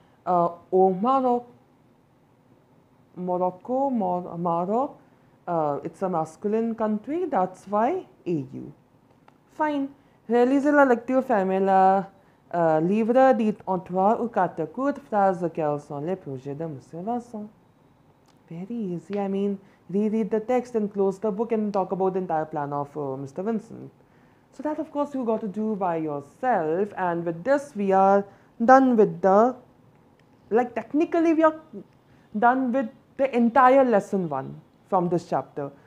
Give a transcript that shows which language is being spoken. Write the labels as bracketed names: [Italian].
[French] Au Maroc, [English] Morocco, Maroc, it's a masculine country, that's why AU. Fine. [French] Réalisez la lecture fermée la livre, dites en trois ou quatre courtes phrases quels sont les projets de Monsieur Vincent. [English] Very easy, I mean, reread the text and close the book and talk about the entire plan of Mr. Vincent. So that, of course, you got to do by yourself. And with this, we are done with the, like, technically, we are done with the entire lesson one from this chapter.